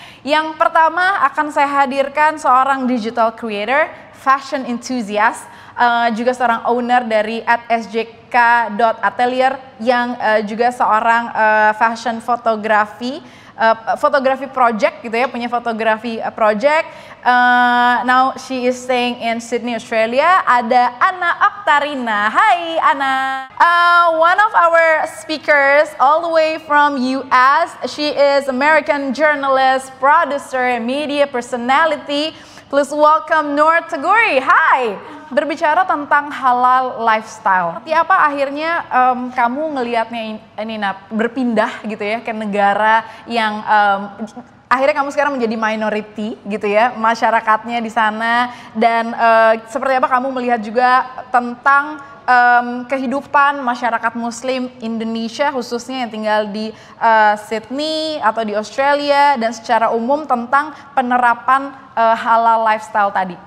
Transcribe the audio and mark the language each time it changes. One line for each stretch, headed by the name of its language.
Indonesian: Yang pertama akan saya hadirkan seorang digital creator, fashion enthusiast, juga seorang owner dari @sjk.atelier, yang juga seorang fashion fotografi, fotografi project gitu ya, punya fotografi project.
English: Now she is staying in Sydney, Australia.
Indonesian: Ada Anna Oktarina. Hai Anna.
English: One of our speakers all the way from US. She is American journalist, producer, and media personality. Please welcome Noor Teguri. Hai.
Indonesian: Berbicara tentang halal lifestyle, seperti apa akhirnya kamu ngelihatnya ini, Nina, berpindah gitu ya ke negara yang akhirnya kamu sekarang menjadi minority gitu ya, masyarakatnya di sana, dan seperti apa kamu melihat juga tentang kehidupan masyarakat muslim Indonesia khususnya yang tinggal di Sydney atau di Australia, dan secara umum tentang penerapan halal lifestyle tadi.